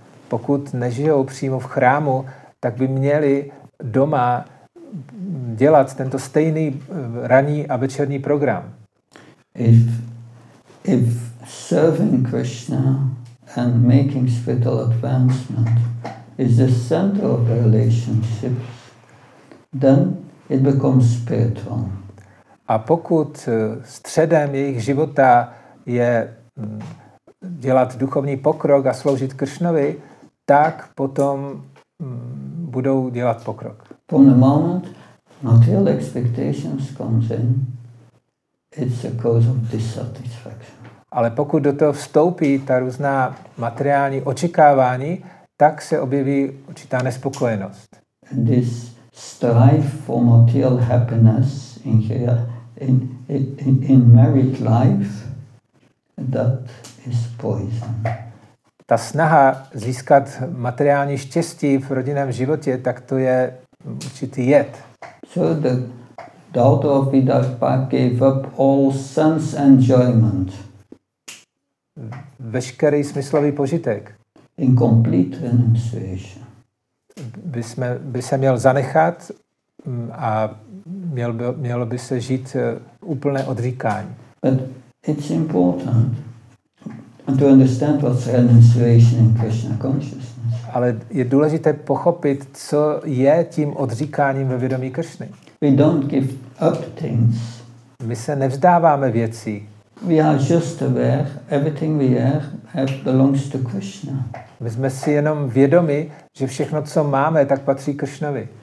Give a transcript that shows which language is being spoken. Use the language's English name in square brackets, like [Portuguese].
[Czech] Pokud nežijou přímo v chrámu, tak by měli doma dělat tento stejný ranní a večerní program. [English] If serving Krishna and making spiritual advancement is the center of the relationships, then it becomes spiritual. [Czech] A pokud středem jejich života je dělat duchovní pokrok a sloužit Kršnovi, tak potom budou dělat pokrok. [English] From the moment material expectations comes in, it's a cause of dissatisfaction. [Czech] Ale pokud do toho vstoupí ta různá materiální očekávání, tak se objeví určitá nespokojenost. [English] This strive for material happiness in married life, that is poison. [Czech] Ta snaha získat materiální štěstí v rodinném životě, tak to je určitý jed. [English] So the daughter of Vidarbha gave up all sense enjoyment. [Czech] Veškerý smyslový požitek. [English] In complete renunciation. [Czech] By se měl zanechat a mělo by se žít úplné odříkání. [English] But it's important to understand what's renunciation in Krishna consciousness. [Czech] Ale je důležité pochopit, co je tím odříkáním ve vědomí Kršny. [English] We don't give up things. [Czech] My se nevzdáváme věcí. [English] We are just aware everything we are belongs to Krishna. [Czech] My jsme si jenom vědomi, že všechno, co máme, tak patří Kršnovi.